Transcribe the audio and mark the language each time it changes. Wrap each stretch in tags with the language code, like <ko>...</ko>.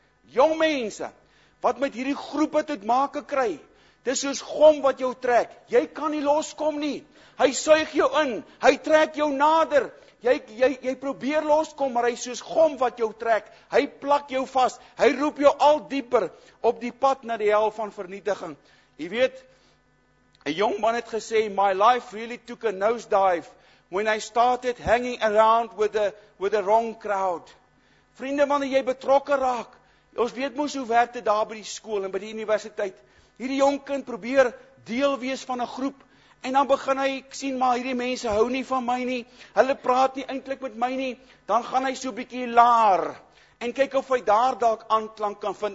<af>Jong mense, wat met hierdie groepe te make kry, dis soos gom wat jou trek, jy kan nie loskom nie, hy suig jou in, hy trek jou nader, jy probeer loskom, maar hy soos gom wat jou trek, hy plak jou vas, hy roep jou al dieper op die pad na die hel van vernietiging. Jy weet, 'n jong man het gesê,</af> <en>my life really took a nosedive, when I started hanging around with the wrong crowd.</en> <af>Vriende, wanneer jy betrokke raak, ons weet mos hoe werk dit daar by die skool en by die universiteit. Hierdie jong kind probeer deel wees van 'n groep, en dan begin hy sien, maar hierdie mense hou nie van my nie, hulle praat nie eintlik met my nie, dan gaan hy so bietjie laar, en kyk of hy daar dalk aanklank kan vind.</af>